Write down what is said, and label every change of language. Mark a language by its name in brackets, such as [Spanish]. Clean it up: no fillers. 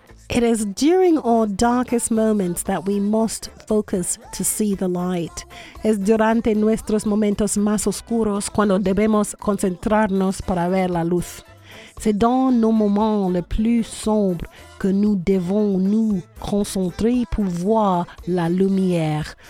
[English] It is during our darkest moments that we must focus to see the light. [Spanish] Es durante nuestros momentos más oscuros cuando debemos concentrarnos para ver la luz. [French] C'est dans nos moments les plus sombres que nous devons nous concentrer pour voir la lumière.